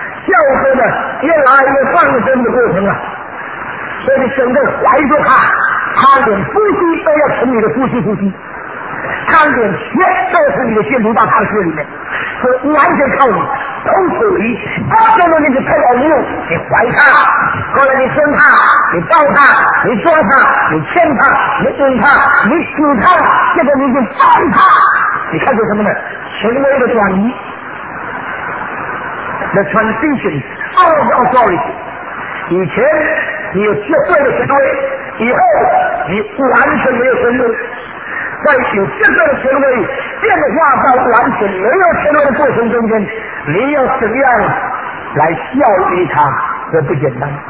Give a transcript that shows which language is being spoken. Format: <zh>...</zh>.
<zh>教唆的越来越放松的过程啊，所以你整个怀着他，他连呼吸都要从你的呼吸呼吸，他连血都要从你的血流到他的血里面，所以完全靠你，都属于他。那么你就太老了，你怀他，后来你生他，你抱他，你抓他，你牵他，你引他，你指他，现在你就放他，你看出什么呢？权威的转移。</zh> <en>The transition of authority.</en> <zh>以前你有绝对的权威，以后你完全没有权威。在有绝对的权威变化到完全没有权威的过程中间，你要怎样来教育他，这不简单。</zh>